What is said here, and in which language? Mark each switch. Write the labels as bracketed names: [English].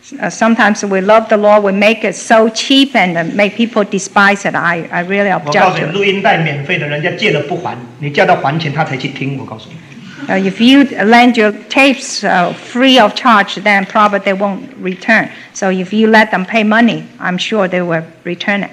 [English] Sometimes we love the Lord, we make it so cheap and make people despise it. I really object. [Chinese] 我告诉你，录音带免费的，人家借了不还，你叫他还钱，他才去听。我告诉你。 [English] If you lend your tapes free of charge, then probably they won't return. So if you let them pay money, I'm sure they will return it.